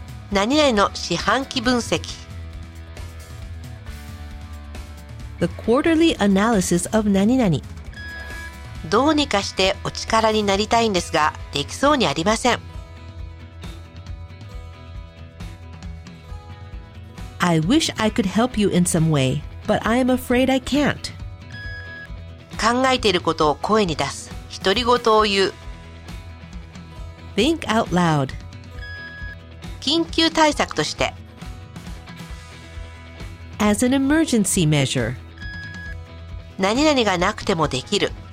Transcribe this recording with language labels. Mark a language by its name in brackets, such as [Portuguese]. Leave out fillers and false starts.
[Japanese] 何々の四半期分析。 [English] The quarterly analysis of 何 [Japanese] 々。どうにかしてお力になりたいんですが、できそうにありません。 [English] I wish I could help you in some way, but I am afraid I can't. [Japanese] 考えていることを声に出す。独り言を言う。 [English] Think out loud. [Japanese] 緊急対策として。 [English] As an emergency measure. [Japanese] 何々がなくてもできる。